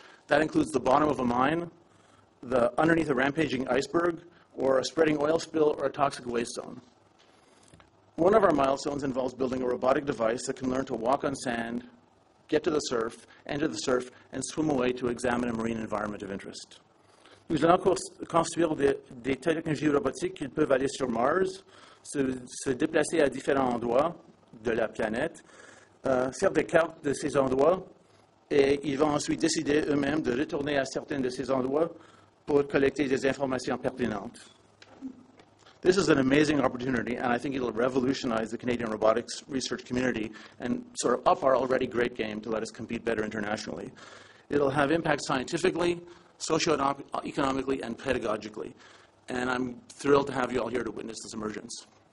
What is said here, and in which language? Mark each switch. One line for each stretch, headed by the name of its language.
English: That includes the bottom of a mine, the underneath a rampaging iceberg, or a spreading oil spill or a toxic waste zone. One of our milestones involves building a robotic device that can learn to walk on sand, get to the surf, enter the surf, and swim away to examine a marine environment of interest.
French: Nous allons construire des technologies robotiques qui peuvent aller sur Mars, se déplacer à différents endroits de la planète, faire des cartes de ces endroits, et ils vont ensuite décider eux-mêmes de retourner à certains de ces endroits pour collecter des informations pertinentes.
English: This is an amazing opportunity, and I think it will revolutionize the Canadian robotics research community and sort of up our already great game to let us compete better internationally. It will have impact scientifically, socioeconomically, and pedagogically. And I'm thrilled to have you all here to witness this emergence.